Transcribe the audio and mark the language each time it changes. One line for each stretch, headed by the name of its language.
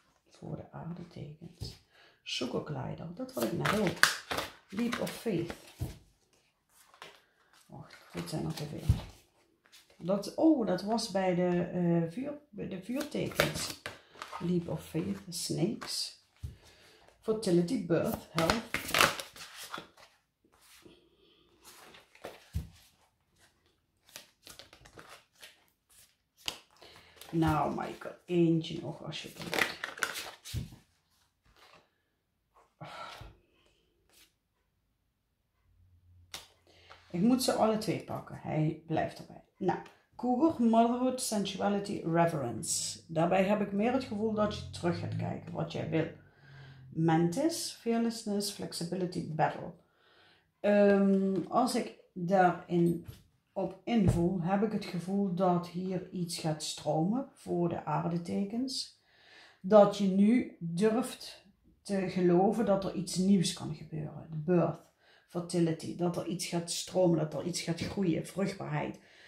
Dutch: Voor de aardetekens. Sugarglider. Dat had ik net ook.
English: Leap of faith.
Dutch: Wacht, dit zijn er te veel. Dat was bij de vuurtekens.
English: Leap of faith, snakes. Fertility, birth, health.
Dutch: Nou, Michael, eentje nog alsjeblieft. Ik moet ze alle twee pakken. Hij blijft erbij. Nou.
English: Cougar, motherhood, sensuality, reverence.
Dutch: Daarbij heb ik meer het gevoel dat je terug gaat kijken wat jij wil.
English: Mantis, fearlessness, flexibility, battle.
Dutch: Als ik daarin op invoel, heb ik het gevoel dat hier iets gaat stromen voor de aardetekens. Dat je nu durft te geloven dat er iets nieuws kan gebeuren.
English: The birth, fertility,
Dutch: dat er iets gaat stromen, dat er iets gaat groeien, vruchtbaarheid.